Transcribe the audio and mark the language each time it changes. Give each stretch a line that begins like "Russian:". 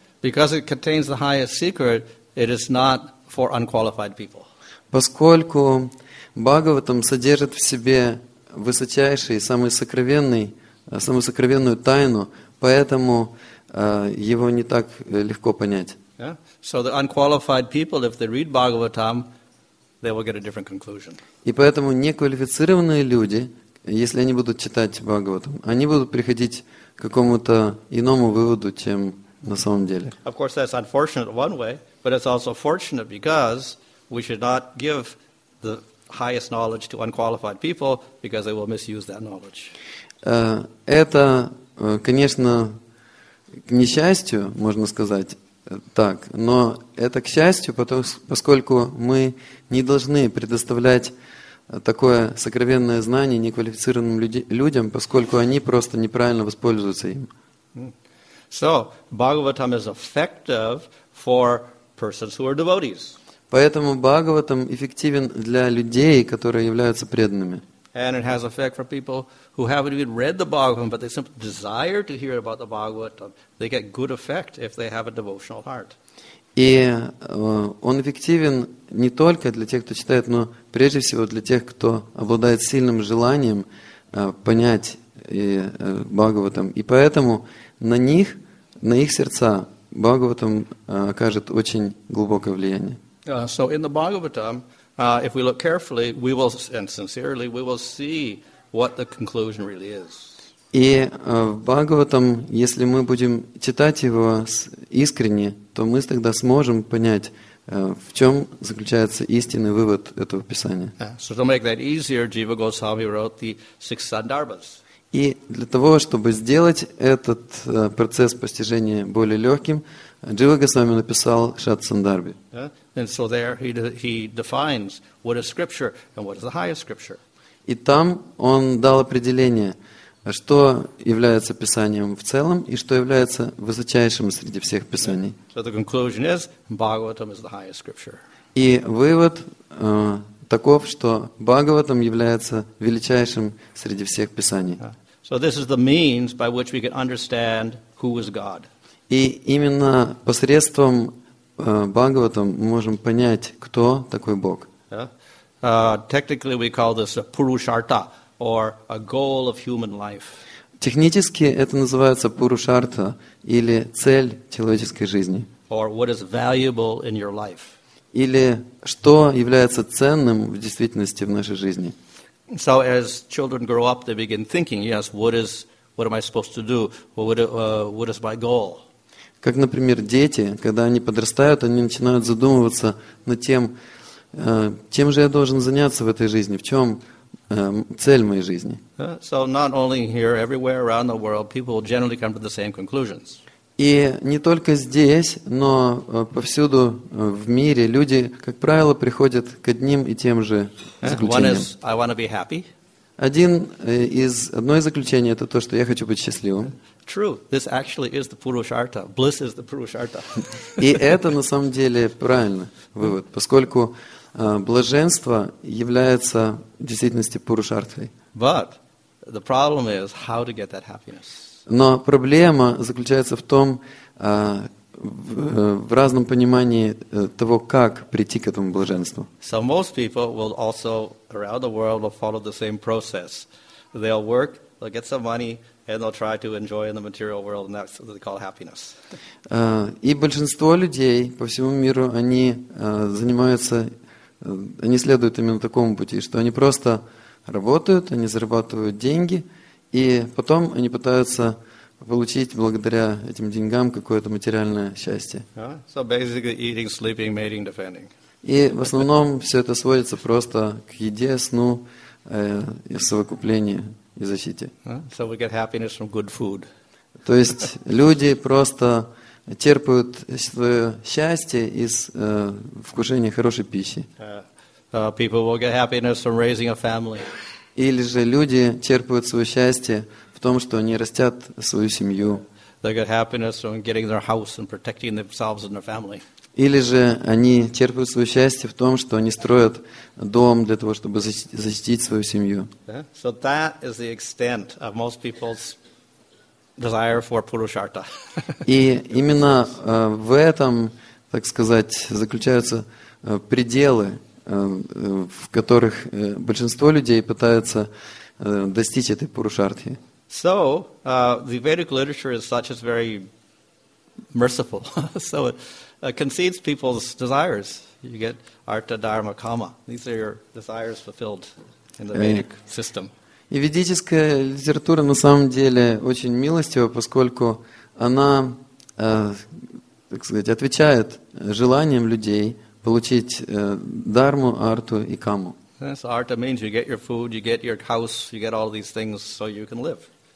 English: Because it contains the highest secret, it is not for unqualified people.
Russian: Поскольку Бхагаватам содержит в себе высочайший, самую сокровенную тайну, поэтому его не так легко понять.
English: Yeah? So the unqualified people, if they read Bhagavatam, they will get a different conclusion.
Russian: И поэтому неквалифицированные люди, если они будут читать Бхагаватам, они будут приходить к какому-то иному выводу, чем на самом деле.
English: Of course, that's unfortunate one way, but it's also fortunate because we should not give the highest knowledge to unqualified people because they will misuse that knowledge.
Russian: Это, конечно, к несчастью, можно сказать так, но это к счастью, поскольку мы не должны предоставлять такое сокровенное знание неквалифицированным людям, поскольку они просто неправильно воспользуются им.
English: So, Bhagavatam is effective for persons who are devotees.
Russian: Поэтому Бхагаватам эффективен для людей, которые являются преданными.
English: And it has effect for people who haven't even read the Bhagavatam, but they simply desire to hear about the Bhagavatam. They get good effect if they have a devotional heart.
Russian: И он эффективен не только для тех, кто читает, но прежде всего для тех, кто обладает сильным желанием понять Бхагаватам. И поэтому на них, на их сердца Бхагаватам окажет очень глубокое влияние.
English: So in the Bhagavatam, If we look carefully, we will, and sincerely, we will see what the conclusion really is.
Russian: И в Бхагаватам, если мы будем читать его искренне, то мы тогда сможем понять, в чем заключается истинный вывод этого писания.
English: So to make that easier, Jiva Goswami wrote the six sandarbhas.
Russian: И для того, чтобы сделать этот процесс постижения более легким, Джива Госвами написал Шат Сандарби.
English: And so there he defines what is scripture and what is the highest scripture.
Russian: И там он дал определение, что является писанием в целом и что является высочайшим среди всех писаний.
English: So the conclusion is Bhagavatam is the highest scripture.
Russian: И вывод таков, что Бхагаватам является величайшим среди всех писаний.
English: So this is the means by which we can understand who is God.
Russian: И именно посредством Бхагаватам мы можем понять, кто такой Бог.
English: Technically we call this a Purushartha, or a goal of human life.
Russian: Технически это называется Purushartha, или цель человеческой жизни.
English: Or what is valuable in your life.
Russian: Или что является ценным в действительности в нашей жизни.
English: So as children grow up, they begin thinking, yes, what am I supposed to do? What is my goal?
Russian: Как, например, дети, когда они подрастают, они начинают задумываться над тем, чем же я должен заняться в этой жизни, в чем цель моей жизни.
English: So not only here, everywhere around the world, people generally come to the same conclusions.
Russian: И не только здесь, но повсюду в мире люди, как правило, приходят к одним и тем же заключениям.
English: One is, I want to be happy.
Russian: Одно из заключений это то, что я хочу быть счастливым.
English: True. This actually is the Purushartha. Bliss is the Purushartha.
Russian: И это на самом деле правильно вывод, поскольку блаженство является в действительности Пурушартхой.
English: But the problem is how to get that happiness.
Russian: Но проблема заключается в том, в разном понимании того, как прийти к этому блаженству.
English: So most people will also around the world will follow the same process. They'll work, they'll get some money, and they'll try to enjoy in the material world, and that's what they call happiness.
Russian: И большинство людей по всему миру, они занимаются, они следуют именно такому пути, что они просто работают, они зарабатывают деньги, и потом они пытаются получить благодаря этим деньгам какое-то материальное счастье.
English: So basically eating, sleeping, mating, defending.
Russian: И в основном все это сводится просто к еде, сну, совокуплению и защите.
English: So we get happiness from good food.
Russian: То есть люди просто черпают свое счастье из вкушения хорошей пищи.
English: People will get happiness from raising a family.
Russian: Или же люди черпают свое счастье в том, что они растят свою семью.
English: They get happiness from getting their house and protecting themselves and their family.
Russian: Или же они черпают свое счастье в том, что они строят дом для того, чтобы защитить свою семью.
English: So that is the extent of most people's desire for Purushartha.
Russian: И именно в этом, так сказать, заключаются пределы, в которых большинство людей пытаются достичь этой Пурушартхи.
English: So, the Vedic literature is such as very merciful. So it concedes people's desires. You get artha, dharma, kama. These are your desires fulfilled in the Vedic system.
Russian: И ведическая литература на самом деле очень милостива, поскольку она, так сказать, отвечает желаниям людей получить дарму, арту и каму.
English: So artha means you get your food, you get your house, you get all these things so you can live.